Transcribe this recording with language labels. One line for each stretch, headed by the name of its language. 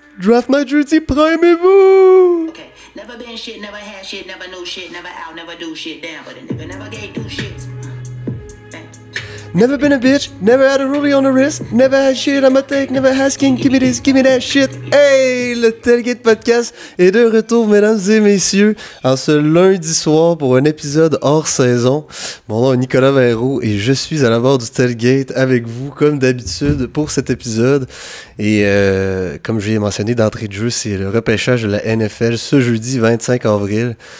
French: Draft Night Jeudi, primez-vous!
English: Okay. Never been shit, never had shit, never know shit, never out, never do shit, damn, but a nigga never gave two shits. Never been a bitch, never had a rubly on the wrist, never had shit on my take, never asking, give me this, give me that shit.
French: Hey, le Tailgate Podcast est de retour, mesdames et messieurs, en ce lundi soir pour un épisode hors saison. Mon nom est Nicolas Vairot et je suis à la barre du Tailgate avec vous, comme d'habitude, pour cet épisode. Et comme je l'ai mentionné d'entrée de jeu, c'est le repêchage de la NFL ce jeudi 25 avril.